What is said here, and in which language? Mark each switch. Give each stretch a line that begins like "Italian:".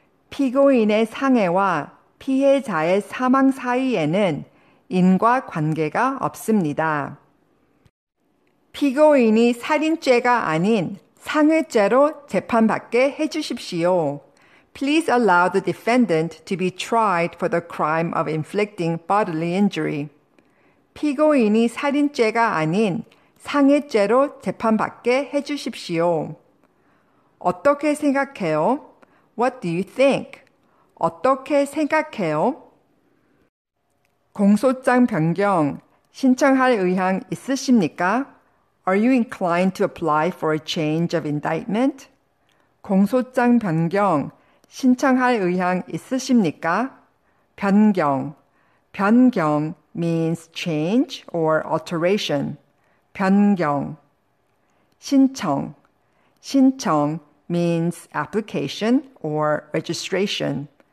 Korean: 피고인의 상해와 피해자의 사망 사이에는 인과 관계가 없습니다. 피고인이 살인죄가 아닌 상해죄로 재판받게 해주십시오.
English: Please allow the defendant to be tried for the crime of inflicting bodily injury.
Korean: 피고인이 살인죄가 아닌 상해죄로 재판받게 해주십시오. 어떻게 생각해요?
English: What do you think?
Korean: 어떻게 생각해요? 공소장 변경 신청할 의향 있으십니까?
English: Are you inclined to apply for a change of indictment?
Korean: 공소장 변경 신청할 의향 있으십니까? 변경.
English: 변경 means change or alteration.
Korean: 변경. 신청.
English: 신청 means application or registration.